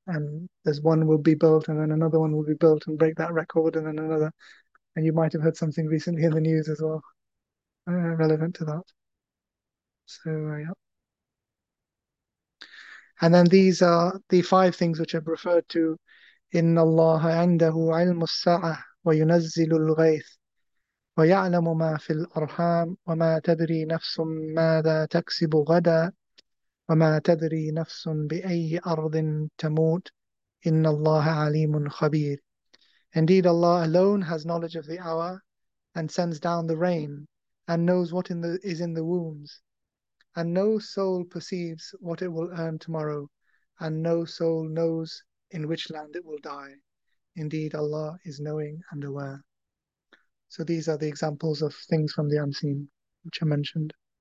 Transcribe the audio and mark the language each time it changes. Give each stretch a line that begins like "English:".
English: And there's one will be built and then another one will be built and break that record and then another. And you might have heard something recently in the news as well, relevant to that. So, yeah. And then these are the five things which I've referred to.
Arabic: إن الله عنده علم الساعة وينزل الغيث ويعلم ما في الأرحام وما تدري نفس ماذا تكسب غدا وما تدري نفس بأي أرض تموت إن الله عليم خبير.
English: Indeed, Allah alone has knowledge of the hour and sends down the rain and knows what is in the wombs. And no soul perceives what it will earn tomorrow, and no soul knows in which land it will die. Indeed, Allah is knowing and aware. So these are the examples of things from the unseen which are mentioned.